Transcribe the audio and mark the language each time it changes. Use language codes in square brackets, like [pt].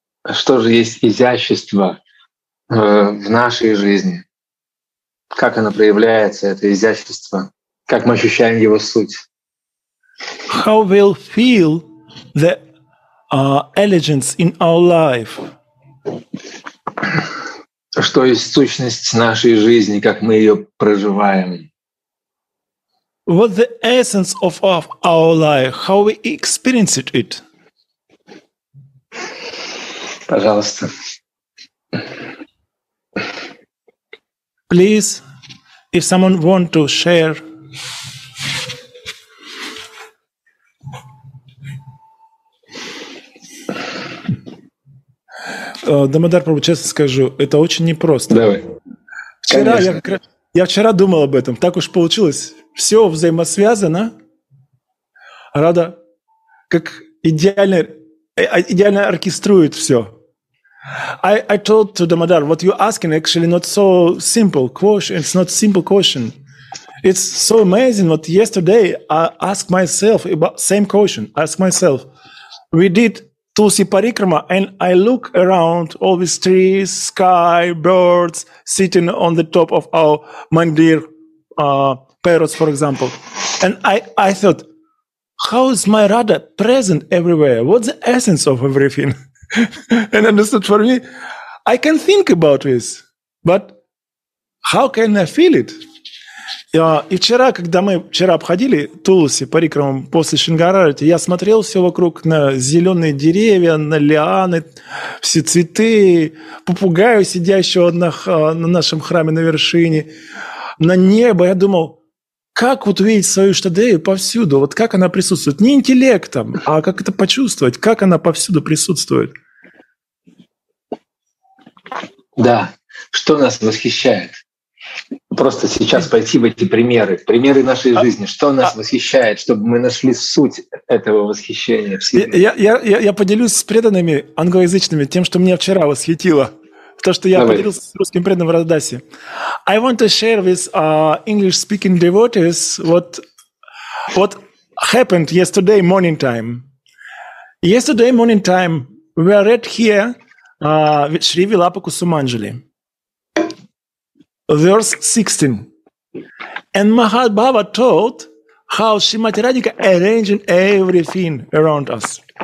[ru] Что же есть изящество в нашей жизни? Как оно проявляется, это изящество? Как мы ощущаем его суть? [en] How we'll feel the elegance in our life? [ru] Что есть сущность нашей жизни, как мы ее проживаем? [en] What the essence of our life? How we experience it? [ru] Пожалуйста. [en] Please. If someone want to share. [ru] Дамодар Прабху, честно скажу, это очень непросто. Давай. Вчера я вчера думал об этом. Так уж получилось. Все взаимосвязано. Рада как идеально оркеструет все. [en] I told to Damodar, what you're asking actually not so simple question. It's not simple question. It's so amazing what yesterday I asked myself about same question. Ask myself. We did Tulsi Parikrama and I look around all these trees, sky, birds sitting on the top of our mandir, parrots, for example. And I thought, how is my Radha present everywhere? What's the essence of everything? And understood for me, I can think about this, but how can I feel it? [ru] И вчера, когда мы вчера обходили Тулси парикрамом после Шингарарати, я смотрел все вокруг на зеленые деревья, на лианы, все цветы, попугая, сидящего на нашем храме на вершине, на небо. Я думал, как вот увидеть свою Штадею повсюду, вот как она присутствует, не интеллектом, а как это почувствовать, как она повсюду присутствует. Да, что нас восхищает? просто сейчас пойти в эти примеры, примеры нашей жизни, что нас восхищает, чтобы мы нашли суть этого восхищения в себе. Я поделюсь с преданными англоязычными тем, что меня вчера восхитило. То, что я поделился с русским преданным в Радхасе. [en] I want to share with English-speaking devotees what happened yesterday morning time. Yesterday morning time, we are read here with Shri Vilapa Kusumanjali. Verse 16. And Mahabhava told how Srimati Radhika arranged everything around us.